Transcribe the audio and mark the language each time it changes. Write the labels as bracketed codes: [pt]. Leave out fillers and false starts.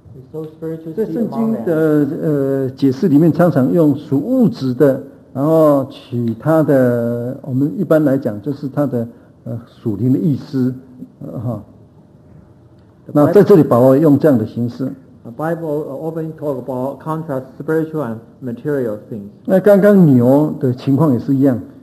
[en] So、 [zh] 在圣经的解释里面，常常用属物质的，然后取它的，我们一般来讲就是它的属灵的意思，哈、那在这里保罗用这样的形式。 [en] The Bible often talk about contrast spiritual and material things. [zh] 那刚刚牛的情况也是一样。